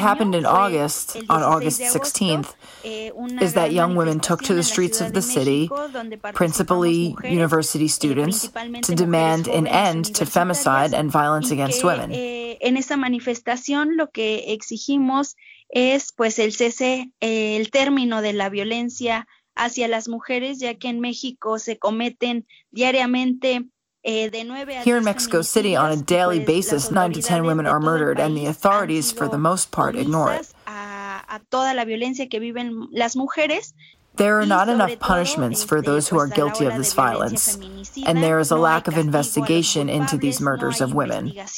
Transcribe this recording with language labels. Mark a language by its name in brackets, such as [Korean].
[English] happened in August, on August 16th, is that young women took to the streets of the city, principally university students, to demand an end to femicide and violence against women. [Spanish] En esa manifestación lo que exigimos es pues el cese, el término de la violencia hacia las mujeres, ya que en México se cometen diariamente. [English] Here in Mexico City, on a daily basis, 9 to 10 women are murdered, and the authorities, for the most part, ignore it. There are not enough punishments for those who are guilty of this violence, and there is a lack of investigation into these murders of women.